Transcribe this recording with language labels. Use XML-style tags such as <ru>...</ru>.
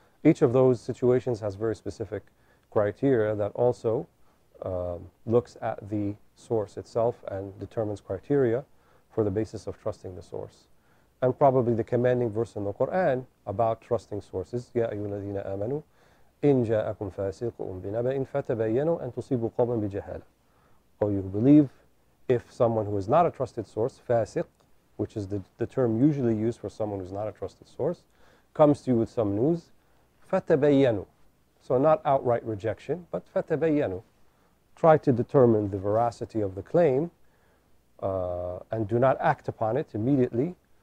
<en>Each of those situations has very specific criteria that also looks at the source itself and determines criteria for the basis of trusting the source. And probably the commanding verse in the Quran about trusting sources,</en> <ar>يَا أَيُّهَا الَّذِينَ آمَنُوا إِن جَاءَكُمْ فَاسِقٌ بِنَبَإٍ فَتَبَيَّنُوا أَن تُصِيبُوا قَوْمًا بِجَهَالَةٍ.</ar> <en>Or you believe if someone who is not a trusted source, فَاسِق, which is the term usually used for someone who is not a trusted source, comes to you with some news, فَتَبَيَّنُوا. So not outright rejection, but فَتَبَيَّنُوا. Try to determine the veracity of the claim and do not act upon it immediately.</en>